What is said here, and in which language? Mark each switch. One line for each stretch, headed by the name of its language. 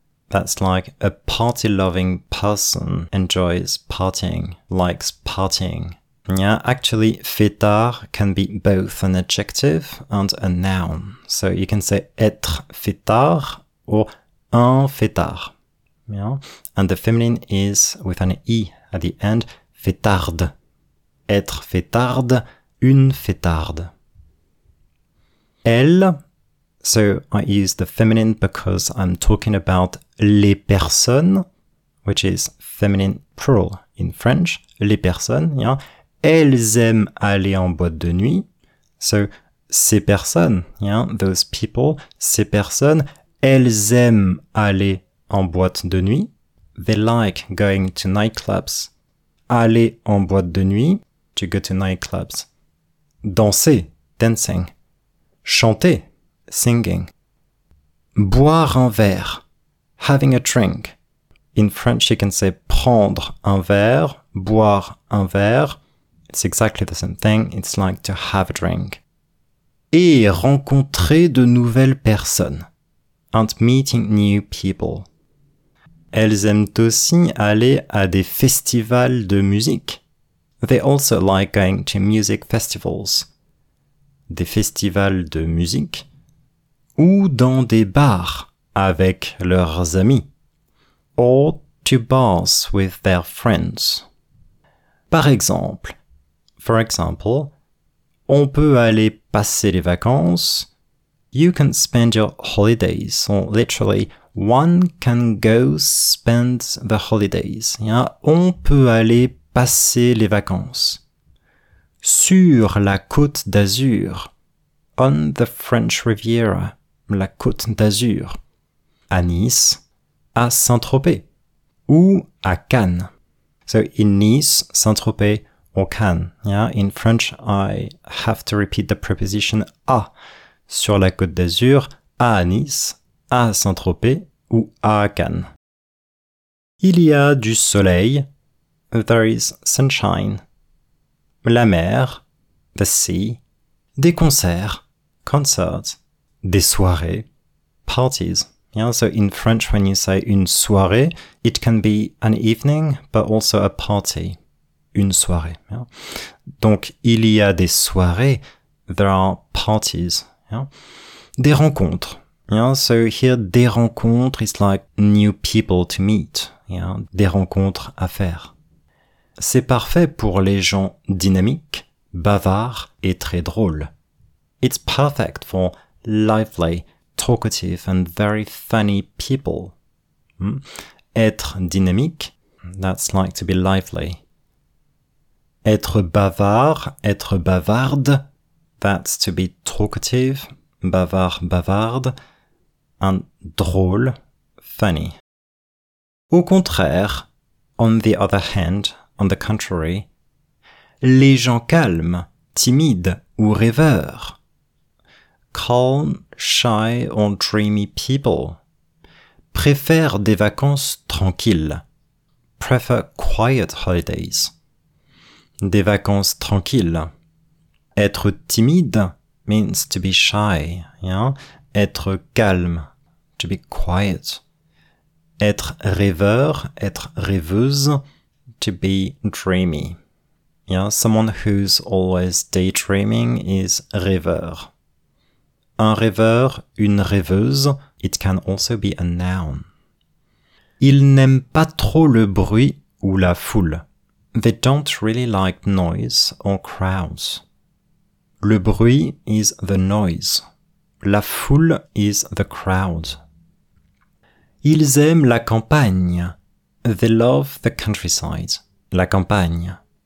English: That's like a party-loving person enjoys partying, likes partying. Yeah, actually, fêtard can be both an adjective and a noun. So you can say être fêtard or un fêtard. Yeah? And the feminine is with an I at the end, fêtarde.
French: Être fêtarde, une fêtarde. Elle.
English: So I use the feminine because I'm talking about les personnes, which is feminine plural in French.
French: Les personnes, yeah. Elles aiment aller en boîte de nuit. So ces personnes,
English: yeah, those people,
French: ces personnes, elles aiment aller en boîte de nuit.
English: They like going to nightclubs.
French: Aller en boîte de nuit,
English: to go to nightclubs.
French: Danser,
English: dancing.
French: Chanter.
English: Singing.
French: Boire un verre.
English: Having a drink. In French, you can say
French: prendre un verre, boire un verre.
English: It's exactly the same thing. It's like to have a drink.
French: Et rencontrer de nouvelles personnes.
English: And meeting new people.
French: Elles aiment aussi aller à des festivals de musique.
English: They also like going to music festivals.
French: Des festivals de musique. Ou dans des bars avec leurs amis.
English: Or to bars with their friends. For example,
French: on peut aller passer les vacances.
English: You can spend your holidays. So literally, one can go spend the holidays. Yeah?
French: On peut aller passer les vacances. Sur la côte d'Azur.
English: On the French Riviera.
French: La Côte d'Azur, à Nice, à Saint-Tropez, ou à Cannes.
English: So, in Nice, Saint-Tropez, or Cannes. Yeah? In French, I have to repeat the preposition à.
French: Sur la Côte d'Azur, à Nice, à Saint-Tropez, ou à Cannes. Il y a du soleil.
English: There is sunshine.
French: La mer.
English: The sea.
French: Des concerts.
English: Concerts.
French: Des soirées,
English: parties. Yeah, so in French, when you say une soirée, it can be an evening, but also a party.
French: Une soirée. Yeah. Donc, il y a des soirées,
English: there are parties.
French: Yeah. Des rencontres.
English: Yeah, so here, des rencontres is like new people to meet.
French: Yeah, des rencontres à faire. C'est parfait pour les gens dynamiques, bavards et très drôles.
English: It's perfect for lively, talkative, and very funny people. Être dynamique, that's like to be lively.
French: Être bavard, être bavarde,
English: that's to be talkative,
French: bavard, bavarde,
English: and
French: drôle,
English: funny.
French: Au contraire,
English: on the other hand, on the contrary,
French: les gens calmes, timides ou rêveurs.
English: Calm, shy, or dreamy people. Prefer
French: des vacances tranquilles.
English: Prefer quiet holidays.
French: Des vacances tranquilles. Être timide
English: means to be shy. Yeah? Être calme, to be quiet.
French: Être rêveur, être rêveuse,
English: to be dreamy. Yeah? Someone who's always daydreaming is rêveur.
French: Un rêveur, une rêveuse,
English: it can also be a noun.
French: Ils n'aiment pas trop le bruit ou la foule.
English: They don't really like noise or crowds. Le bruit is the noise. La foule is the crowd.
French: Ils aiment la campagne.
English: They love the countryside.
French: La campagne.